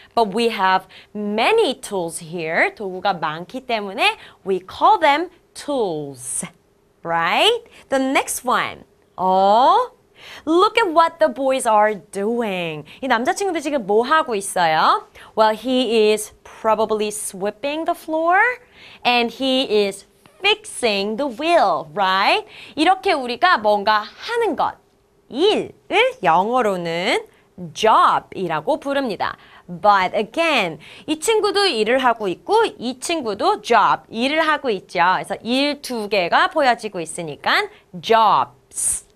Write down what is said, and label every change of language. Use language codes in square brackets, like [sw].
[en] But we have many tools here. [ko] 도구가 많기 때문에 [en] we call them tools. Right? The next one. Look at what the boys are doing. [ko] 이 남자친구들 지금 뭐 하고 있어요? [en] Well, he is probably sweeping the floor and he is fixing the wheel, right? [ko] 이렇게 우리가 뭔가 하는 것, 일을 영어로는 job이라고 부릅니다. [en] But again, [ko] 이 친구도 일을 하고 있고 이 친구도 job, 일을 하고 있죠. 그래서 일 두 개가 보여지고 있으니까 jobs.